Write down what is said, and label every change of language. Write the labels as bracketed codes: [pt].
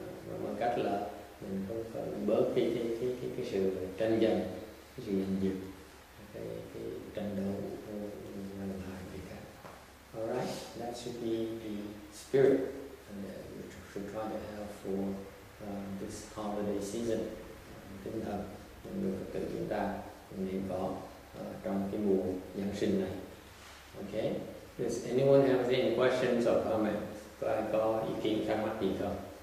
[vi] Và bằng cách là mình không phải bớt cái sự tranh giành, cái sự giành giật, cái tranh đấu của làm hại người khác. [en] All right, that should be the spirit that we should try to have for this holiday season. [vi] Tinh thần mọi người Phật tử chúng ta nên có trong cái mùa Giáng sinh này. Okay. [en] Does anyone have any questions or comments? [vi] Có ai có ý kiến thắc mắc gì không?